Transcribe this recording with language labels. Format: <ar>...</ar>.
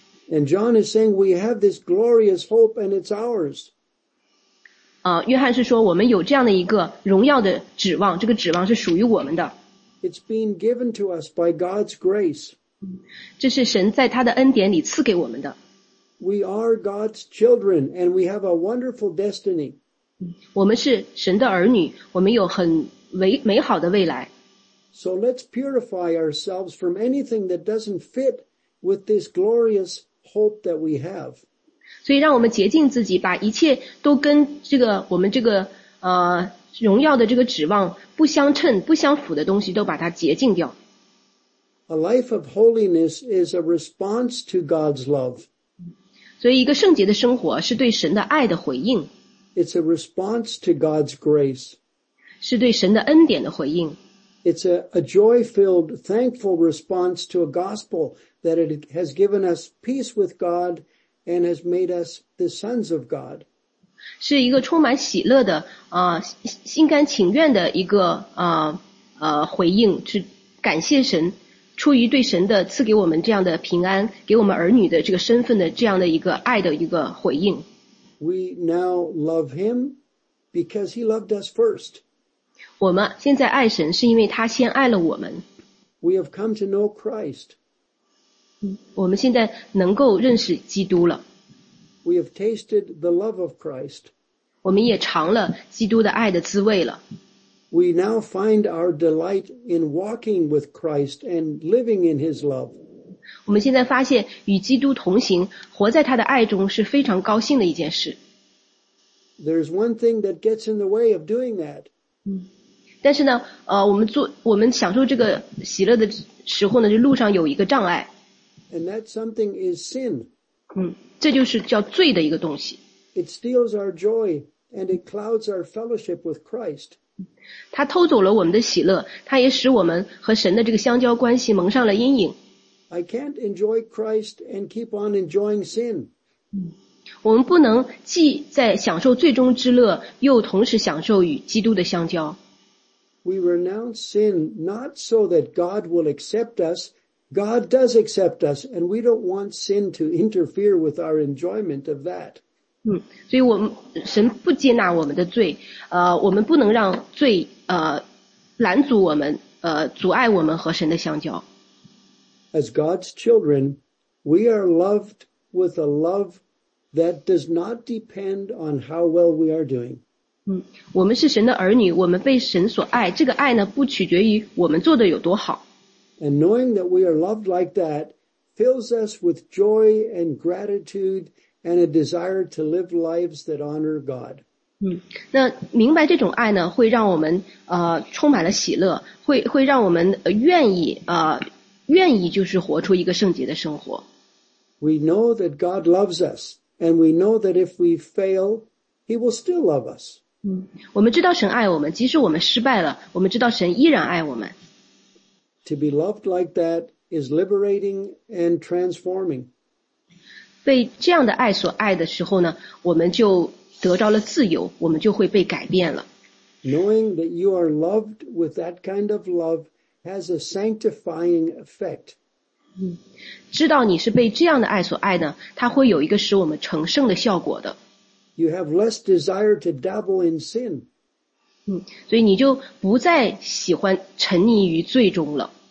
<en>And John is saying we have this glorious hope and it's ours.</en> <zh>约翰是说我们有这样的一个荣耀的指望这个指望是属于我们的。</zh> <en>It's been given to us by God's grace.</en> <zh>这是神在他的恩典里赐给我们的。</zh> <en>We are God's children, and we have a wonderful destiny.</en> <zh>我们是神的儿女，我们有很美好的未来。</zh> <en>So let's purify ourselves from anything that doesn't fit with this glorious hope that we have.</en> <zh>所以让我们洁净自己，把一切都跟这个我们这个荣耀的这个指望不相称、不相符的东西都把它洁净掉。</zh> <en>A life of holiness is a response to God's love.</en> <zh>所以一个圣洁的生活是对神的爱的回应。</zh> <en>It's a response to God's grace.</en> <zh>是对神的恩典的回应。</zh> <en>It's a joy-filled, thankful response to a gospel that it has given us peace with God and has made us the sons of God.</en> <zh>是一个充满喜乐的心甘情愿的一个回应去感谢神。出于对神的赐给我们这样的平安给我们儿女的这个身份的这样的一个爱的一个回应。</zh> <en>We now love him because he loved us first.</en> <zh>我们现在爱神是因为他先爱了我们。</zh> <en>We have come to know Christ.</en> <zh>我们现在能够认识基督了。</zh> <en>We have tasted the love of Christ.</en> <zh>我们也尝了基督的爱的滋味了。</zh> <en>We now find our delight in walking with Christ and living in His love.</en> <zh>我们现在发现与基督同行，活在他的爱中是非常高兴的一件事。</zh> <en>There's one thing that gets in the way of doing that.</en> <zh>但是呢，我们享受这个喜乐的时候呢，就路上有一个障碍。</zh> <en>And that something is sin.</en> <zh>这就是叫罪的一个东西。</zh> <en>It steals our joy and it clouds our fellowship with Christ.</en> <zh>它偷走了我们的喜乐，它也使我们和神的这个相交关系蒙上了阴影。</zh> <en>I can't enjoy Christ and keep on enjoying sin.</en> <zh>我们不能既在享受最终之乐，又同时享受与基督的相交。</zh> <en>We renounce sin not so that God will accept us. God does accept us, and we don't want sin to interfere with our enjoyment of that.</en> <zh>所以我们神不接纳我们的罪，我们不能让罪拦阻我们，阻碍我们和神的相交。</zh> <en>As God's children, we are loved with a love that does not depend on how well we are doing.</en> <zh>我们是神的儿女，我们被神所爱，这个爱呢，不取决于我们做的有多好。</zh> <en>And knowing that we are loved like that fills us with joy and gratitude and a desire to live lives that honor God.</en> <zh>那明白这种爱呢，会让我们充满了喜乐，会让我们愿意就是活出一个圣洁的生活。</zh> <en>We know that God loves us, and we know that if we fail, He will still love us.</en> <zh>我们知道神爱我们，即使我们失败了，我们知道神依然爱我们。</zh> <en>To be loved like that is liberating and transforming.</en> <zh>被这样的爱所爱的时候呢，我们就得着了自由，我们就会被改变了。</zh> <en>Knowing that you are loved with that kind of love has a sanctifying effect.</en> <zh>知道你是被这样的爱所爱呢，它会有一个使我们成圣的效果的。</zh> <en>You have less desire to dabble in sin.</en> <zh>所以你就不再喜欢沉溺于罪中了。</zh>